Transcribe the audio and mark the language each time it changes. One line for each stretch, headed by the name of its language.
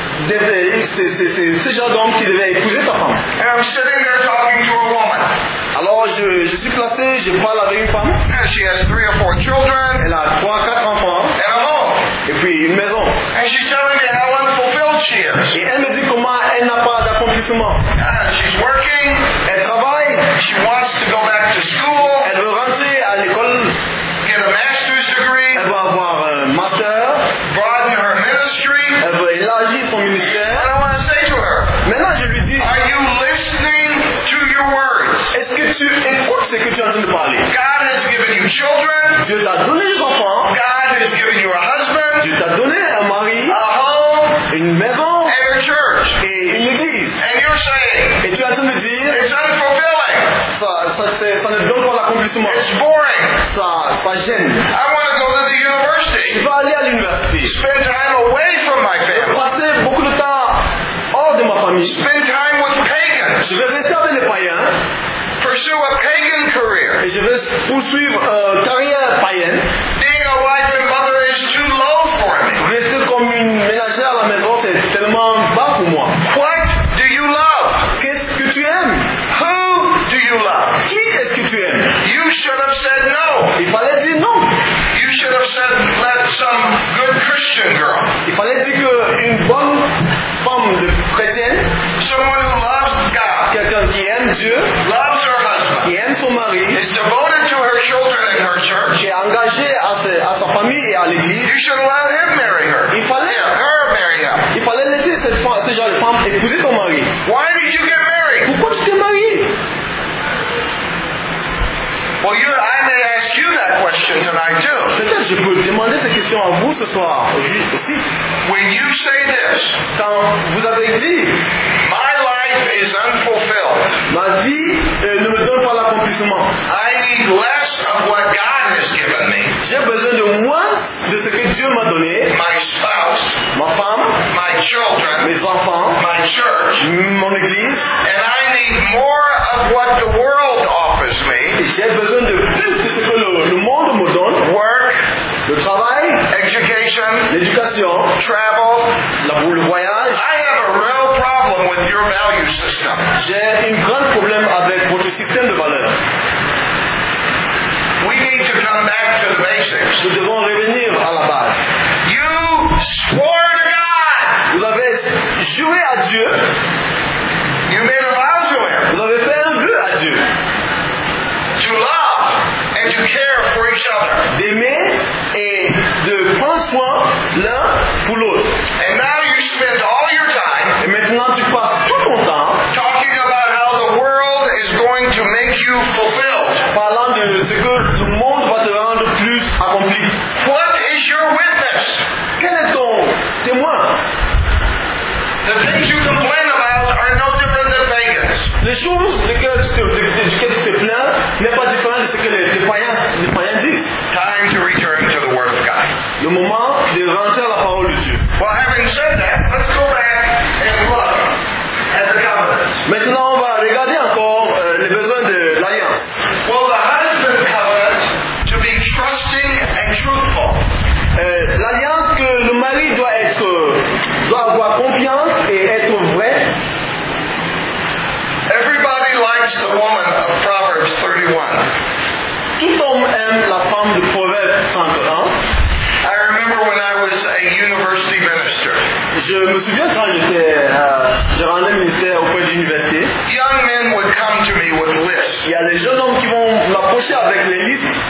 French: C'est genre d'homme qui devait épouser sa femme.
English: And I'm sitting there talking to a woman.
French: Alors je suis placé, je parle avec une femme.
English: And she has three or four children.
French: Elle a 3-4 enfants.
English: And a home.
French: Et puis une maison.
English: And she's telling me how unfulfilled she is.
French: Et elle me dit comment elle n'a pas d'accomplissement.
English: She's working.
French: Elle travaille.
English: She wants to go back to school.
French: Elle veut rentrer à l'école.
English: Get a master's degree.
French: Elle veut avoir un master.
English: Broaden her ministry.
French: Elle veut élargir son ministère.
English: And I want to say to her.
French: Maintenant je lui dis.
English: Are you listening to your words?
French: Est-ce que tu écoutes ce que tu es en train de parler?
English: God has given you children.
French: Dieu t'a donné des enfants.
English: God has given you a husband.
French: Dieu t'a donné un mari.
English: A home.
French: Une maison.
English: And a church.
French: Et une église.
English: And you're saying.
French: Et tu es en train de dire.
English: It's unfulfilling.
French: Ça ne donne pas l'accomplissement.
English: It's boring.
French: Ça gêne.
English: I want to go to the university.
French: Je veux aller à l'université.
English: Spend time away from my family.
French: Je veux passer beaucoup de temps hors de ma famille.
English: Spend time with pagans.
French: Je veux rester avec les païens.
English: Pursue a pagan career.
French: Et je veux poursuivre une carrière païenne.
English: Being a wife and mother is too low for me.
French: Rester comme une ménagère à la maison, c'est tellement bas pour moi.
English: What do you love?
French: Qu'est-ce que tu aimes?
English: Who do you love?
French: Qui est-ce que tu aimes?
English: You should have said no.
French: Il fallait dire non.
English: You should have said let some good Christian girl.
French: Il fallait dire que une bonne femme de chrétienne.
English: Someone who loves God.
French: Quelqu'un qui aime Dieu.
English: Loves her husband.
French: Qui aime son mari.
English: Is devoted to her children and her church.
French: Qui est engagé à sa famille et à l'église.
English: You should allow him marry her.
French: Il fallait
English: her marry him.
French: Il fallait laisser ce genre de femme épouser son mari.
English: Why did you get married?
French: Pourquoi tu t'es marié?
English: Well, I may ask you that question tonight too.
French: Peut-être je peux demander cette question à vous ce soir aussi.
English: When you say this,
French: quand vous avez dit,
English: my life is unfulfilled.
French: Ma vie ne me donne pas l'accomplissement.
English: I need less of what God has given me.
French: J'ai besoin de moins de ce que Dieu m'a donné.
English: My spouse,
French: ma femme,
English: my children,
French: mes enfants,
English: my church,
French: mon église,
English: and I need more of what the world offers me.
French: J'ai besoin de plus de ce que le monde me donne.
English: Work,
French: le travail,
English: education,
French: l'éducation,
English: travel,
French: le voyage.
English: I have a real problem with your value system.
French: J'ai un grand problème avec votre système de valeurs.
English: We need to come back to the basics.
French: Nous devons revenir à la base.
English: You swore to God.
French: Vous avez juré à Dieu.
English: You made a vow to him.
French: Vous avez fait un vœu à Dieu.
English: To love and to care for each other.
French: D'aimer et de prendre soin l'un pour l'autre.
English: And now you spend all your time.
French: Et maintenant tu passes tout ton temps.
English: Talking about how the world is going to make you fulfilled.
French: Parlant de ce que le monde va te rendre plus accompli.
English: What is your witness?
French: Quel est ton témoin?
English: The things you complain about are no different than pagans.
French: Les choses desquelles tu te plains n'est pas différent de ce que les païens disent.
English: Time to return to the Word of God.
French: Le moment de rentrer à la parole de Dieu.
English: Well, having said that, let's go back and look at the covenants.
French: Maintenant, on va regarder encore les besoins de l'alliance.
English: Well, the husband covenant to be trusting and truthful.
French: L'alliance que le mari doit avoir confiance et être vrai.
English: Everybody likes the woman of Proverbs 31.
French: Tout homme aime la femme de Proverbe 31.
English: I remember when I was a university minister.
French: Je me souviens quand je rendais ministère auprès d'université.
English: Young men would come to me with lists.
French: Il y a des jeunes hommes qui vont m'approcher avec les listes.